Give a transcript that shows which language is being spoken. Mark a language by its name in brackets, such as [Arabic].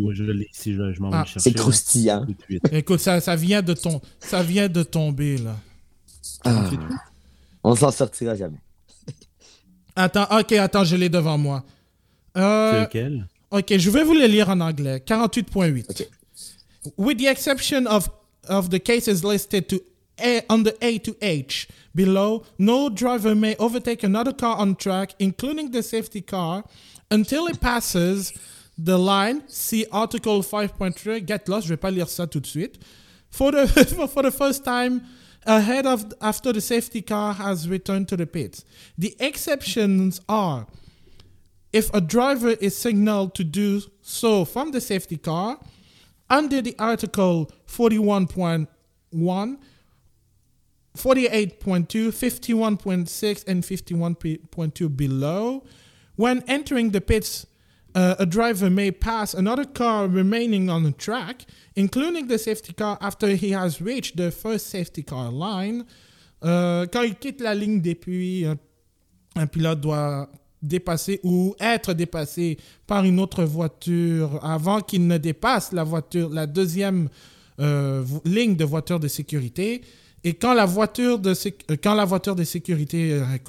[French] Moi, je l'ai ici, je m'en vais chercher. C'est croustillant. Écoute, ça vient de tomber, là. On s'en sortira jamais. Attends, je l'ai devant moi. C'est lequel? Ok, je vais vous le lire en anglais. 48.8. Okay. [English] With the exception of the cases listed under A to H below, no driver may overtake another car on track, including the safety car, until it passes the line, see article 5.3, get lost, [French] je ne vais pas lire ça tout de suite, [English] for the first time, after the safety car has returned to the pits. The exceptions are if a driver is signaled to do so from the safety car under the article 41.1, 48.2, 51.6, and 51.2 below. When entering the pits, a driver may pass another car remaining on the track, including the safety car after he has reached the first safety car line. [French] Quand il quitte la ligne depuis, un pilote doit dépasser ou être dépassé par une autre voiture avant qu'il ne dépasse la deuxième ligne de voiture de sécurité. Et quand la voiture de sécurité...